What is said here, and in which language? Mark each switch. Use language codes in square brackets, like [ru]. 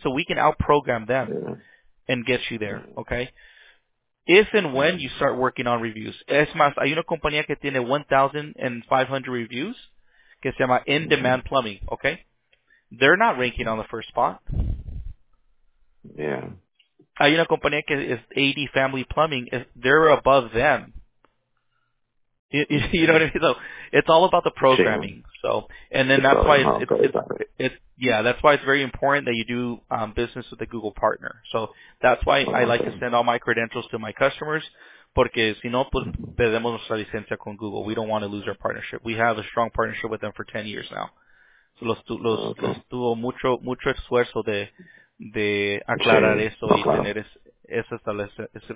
[en] So we can out-program them and get you there, okay? If and when you start working on reviews. [es] Es más, hay una compañía que tiene 1,500 reviews, que se llama In Demand Plumbing, okay? [en] They're not ranking on the first spot. Yeah. [es] Hay una compañía que es AD Family Plumbing. [en] They're above them. You know what I mean? So it's all about the programming. Sí. So, and then that's why that's why it's very important that you do business with a Google partner. So that's why I like to send all my credentials to my customers. [es] Porque si no, pues, perdemos nuestra licencia con Google. [en] We don't want to lose our partnership. We have a strong partnership with them for 10 years now. [es] So los tuvo mucho, mucho esfuerzo de aclarar eso y tener esa establecimiento.